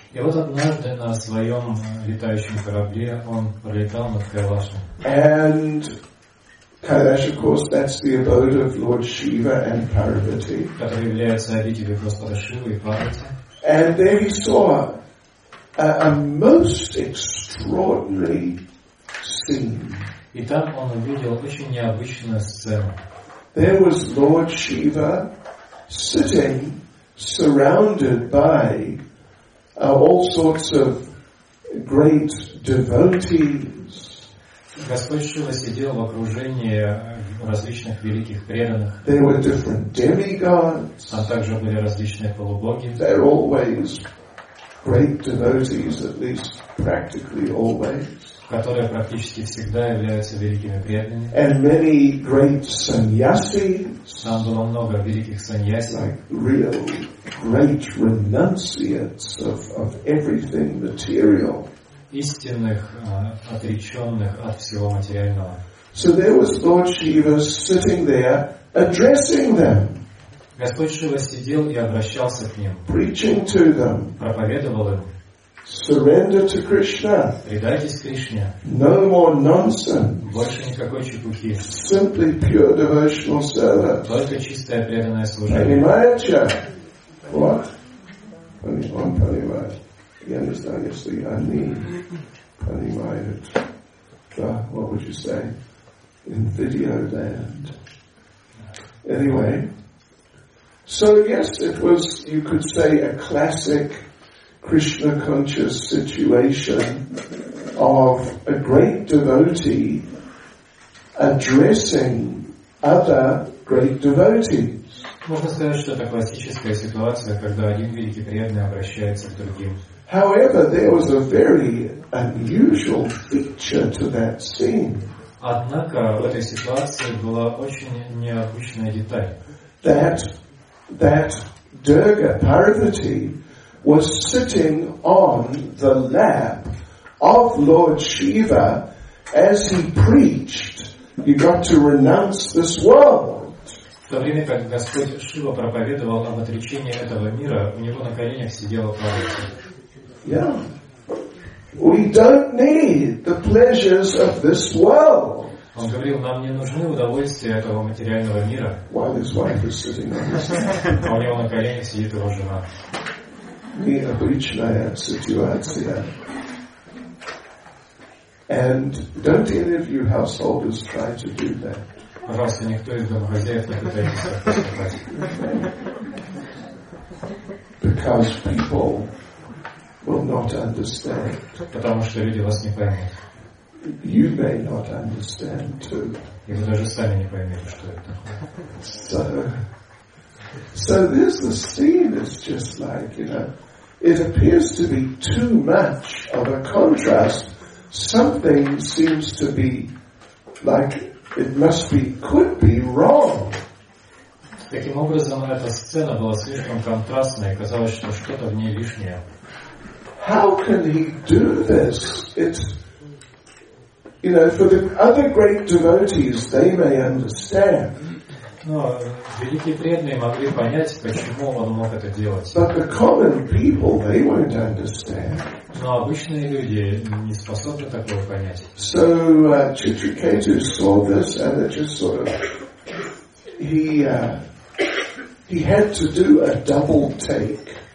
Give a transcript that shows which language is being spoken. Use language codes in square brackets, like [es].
[ru] И вот однажды на своем летающем корабле он пролетал над Кайлашем. [en] And Kailash, of course, that's the abode of Lord Shiva and Parvati. [ru] Который является обителью Господа Шивы и Парвати. [en] And there he saw a most extraordinary scene. [ru] И там он увидел очень необычную сцену. [en] There was Lord Shiva sitting surrounded by all sorts of great devotees. [ru] Господь Шива сидел в окружении различных великих преданных. [en] There were different demigods. [ru] Там также были различные полубоги. [en] They were always great devotees, at least practically always. [ru] Которые практически всегда являются великими преданными. [en] And many great sannyasis. [ru] Там было много великих sannyasis. [en] Like real great renunciates of everything material. [ru] Истинных отреченных от всего материального. [en] So there was Lord Shiva sitting there addressing them. [ru] Господь Шива сидел и обращался к ним. [en] Preaching to them. [ru] Проповедовал им. [en] Surrender to Krishna. [ru] Предайтесь Кришне. [en] No more nonsense. [ru] Больше никакой чепухи. [en] Simply pure devotional service. [ru] Только чистое преданное служение. Понимаете? [en] What? [ru] Он понимает. Я не знаю, если они понимают. Да, [en] what would you say? In video land. Anyway. So yes, it was, you could say, a classic Krishna conscious situation of a great devotee addressing other great devotees. [ru] Можно сказать, что это классическая ситуация, когда один великий преданный обращается к другим. [en] However, there was a very unusual feature to that scene. [ru] Однако в этой ситуации была очень необычная деталь. [en] That Durga Parvati was sitting on the lap of Lord Shiva as he preached, you got to renounce this world. [ru] В то время как Господь Шива проповедовал об отречении этого мира, у него на коленях сидела Парвати. [en] Yeah. We don't need the pleasures of this world. [ru] Он говорил, нам не нужны удовольствия этого материального мира. А у него на колене сидит его жена. Необычная ситуация. [en] And don't any of you householders try to do that. [ru] Пожалуйста, никто из домохозяев не пытается поступать. [en] Because people will not understand. [ru] Потому что люди вас не поймут. [en] You may not understand too. [ru] И вы даже сами не поймете, что это такое. [en] So this scene is just like, you know, it appears to be too much of a contrast. Something seems to be like it must be, could be wrong. [ru] Таким образом, эта сцена была слишком контрастной, казалось, что что-то в ней лишнее. [en] How can he do this? You know, for the other great devotees, they may understand. [ru] Но великие преданные могли понять, почему он мог это делать. [en] But the common people, they won't understand. [ru] Но обычные люди не способны такого понять. [en] So Chitraketu saw this and it just sort of he had to do a double take.